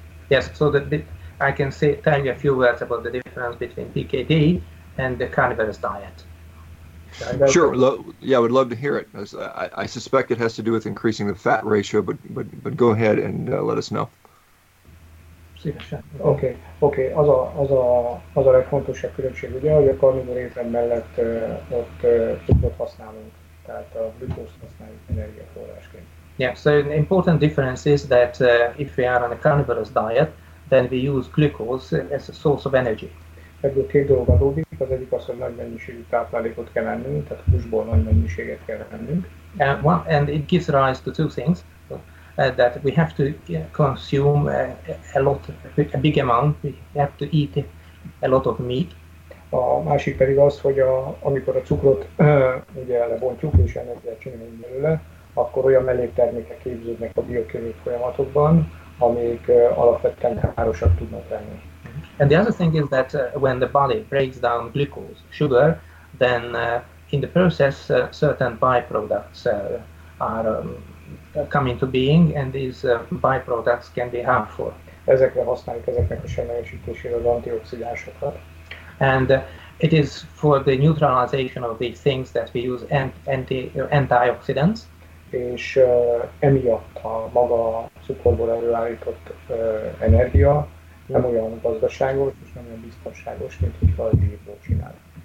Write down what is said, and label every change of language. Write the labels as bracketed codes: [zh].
[en] Yes, so that I can say tell you a few words about the difference between PKD and the carnivorous diet. Sure. I would love to hear it. I suspect it has to do with increasing the fat ratio, but go ahead and let us know. [hu] Szívesen. Oké. Az a legfontosabb különbség, ugye, hogy a karnivor étrend mellett ott cukrot használunk, tehát a glukózt használjuk energiaforrásként. [en] Yeah, so an important difference is that if we are on a carnivorous diet, then we use glucose as a source of energy. [hu] Ebből két dolog adódik, az egyik az, hogy nagy mennyiségű táplálékot kell ennünk, tehát húsból nagy mennyiséget kell ennünk. [en] And it gives rise to two things. That we have to consume a big amount, we have to eat a lot of meat. [hu] A másik pedig az, hogy amikor a cukrot ugye lebontjuk és energiát csinálunk belőle, akkor olyan melléktermékek képződnek a biokémiai folyamatokban, amik alapvetően károsak tudnak lenni. [en] And the other thing is that when the body breaks down glucose, sugar, then in the process certain byproducts are come into being, and these byproducts can be harmful. [hu] Ezekre használjuk ezeknek a semlegesítésére az antioxidánsokat. [en] And it is for the neutralization of these things that we use antioxidants. [hu] És emiatt a maga cukorból előállított energia nem olyan gazdaságos és nem olyan biztonságos, mint hogyha a zsírból csinálunk.